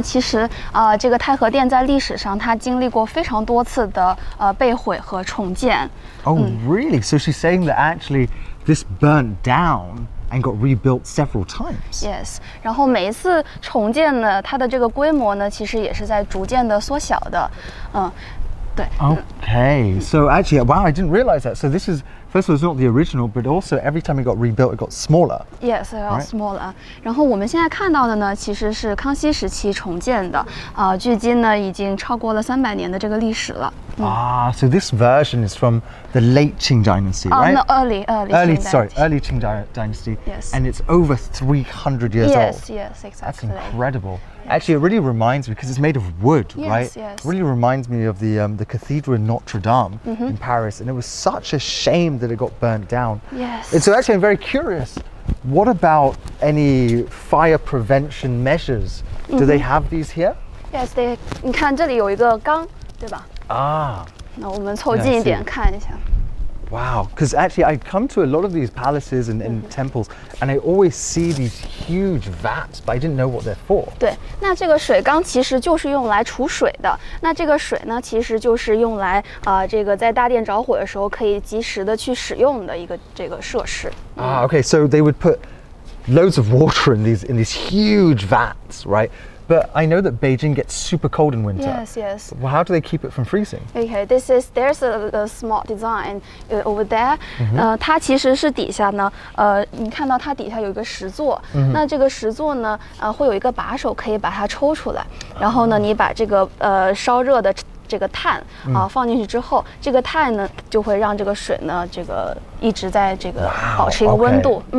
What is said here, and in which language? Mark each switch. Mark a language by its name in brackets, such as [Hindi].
[Chinese] 其实这个太和殿在历史上它经历过非常多次的被毁和重建。 [English] Really? So she's saying that actually this burnt down and got rebuilt several times. Yes. [Chinese] 然后每一次重建呢，它的这个规模呢，其实也是在逐渐的缩小的。对。 [English] Okay. So actually, wow, I didn't realize that. So this is. First of all, it's not the original, but also every time it got rebuilt, it got smaller. Yes, it got smaller. [Chinese] 然后我们现在看到的呢，其实是康熙时期重建的，距今呢已经超过了300年的这个历史了。 [English] So this version is from the late Qing Dynasty, right? No, early Qing Dynasty. Yes. And it's over 300 years old. Yes, yes, exactly. That's incredible. Yes. Actually, it really reminds me, because it's made of wood, yes, right? Yes, yes. It really reminds me of the cathedral in Notre Dame in Paris, and it was such a shame. That it got burnt down. Yes. And so actually, I'm very curious. What about any fire prevention measures? Do they have these here? Yes, they. [Chinese] 你看这里有一个缸，对吧？那我们凑近一点看一下。 [English] Wow, because actually I come to a lot of these palaces and temples and I always see these huge vats, but I didn't know what they're for. [Chinese] 对，那这个水缸其实就是用来储水的。那这个水呢，其实就是用来这个在大殿着火的时候可以及时的去使用的一个这个设施。 [English] Okay, so they would put loads of water in these huge vats, right? But I know that Beijing gets super cold in winter. Yes, yes. Well, how do they keep it from freezing? Okay, there's a smart design over there. [Chinese] 它其实是底下呢，你看到它底下有一个石座。那这个石座呢，会有一个把手可以把它抽出来。然后呢，你把这个烧热的这个碳放进去之后，这个碳呢就会让这个水呢这个一直在这个保持一个温度。